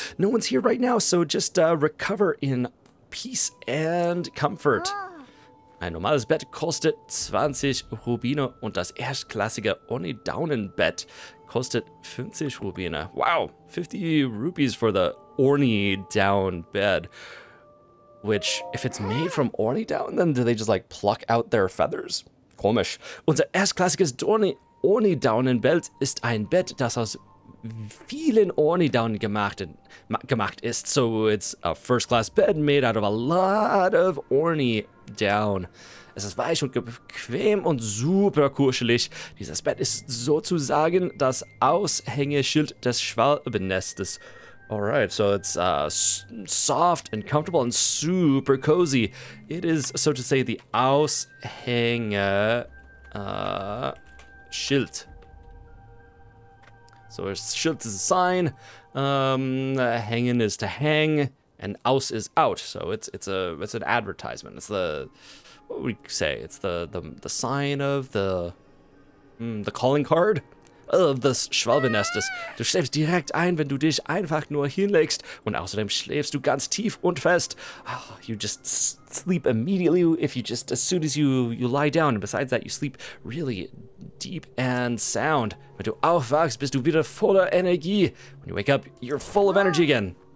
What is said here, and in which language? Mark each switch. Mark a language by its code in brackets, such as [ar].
[en] No one's here right now, so just recover in peace and comfort. [de] Ein normales Bett kostet 20 Rubine und das erstklassige Ornidaunenbett kostet 50 Rubine. [en] Wow, 50 rupees for the Ornidaun bed. Which, if it's made from Ornidaun, then do they just like pluck out their feathers? [de] Komisch. Unser erstklassiges Ornidaunenbett ist ein Bett, das aus vielen Ornidaunen gemacht ist. [en] So it's a first-class bed made out of a lot of Ornidaun. [de] Es ist weich und bequem und super kuschelig. Dieses Bett ist sozusagen das Aushängeschild des Schwalbennestes. [en] Alright, so it's soft and comfortable and super cozy. It is, so to say, the Aushängeschild. So a Schild is a sign. Hängen is to hang, and aus is out. So it's an advertisement. It's the, what would we say? It's the sign of the calling card of the Schwalbennestes. [de] Du schläfst direkt ein, wenn du dich einfach nur hinlegst, und außerdem schläfst du ganz tief und fest. [en] Oh, you just sleep immediately if you just as soon as you lie down. And besides that, you sleep really deep and sound. [de] Wenn du aufwachst, bist du wieder voller Energie. [en] When you wake up, you're full of energy again.